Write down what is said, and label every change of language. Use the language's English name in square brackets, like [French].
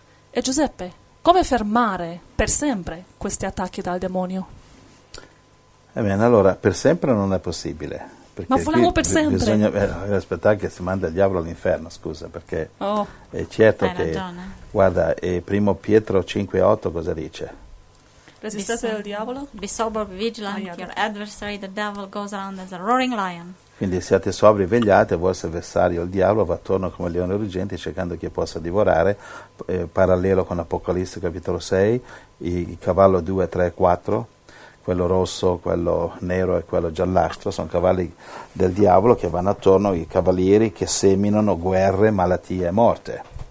[Italian] E Giuseppe, come fermare per sempre questi attacchi dal demonio? Ebbene, allora, per sempre non è possibile. Ma volevamo per sempre. Bisogna aspettare che si manda il diavolo all'inferno, scusa, perché oh, è certo che... Ragione. Guarda, e primo Pietro 5:8 cosa dice? Resistete al diavolo? [English] Be sober, be vigilant, your adversary, the devil, goes around as a roaring lion. [Italian] Quindi siate sobri, vegliate, il vostro avversario, il diavolo, va attorno come un leone ruggente cercando chi possa divorare. Parallelo con Apocalisse capitolo 6, il cavallo 2, 3, 4, quello rosso, quello nero e quello giallastro, sono cavalli del diavolo che vanno attorno, i cavalieri che seminano guerre, malattie e morte.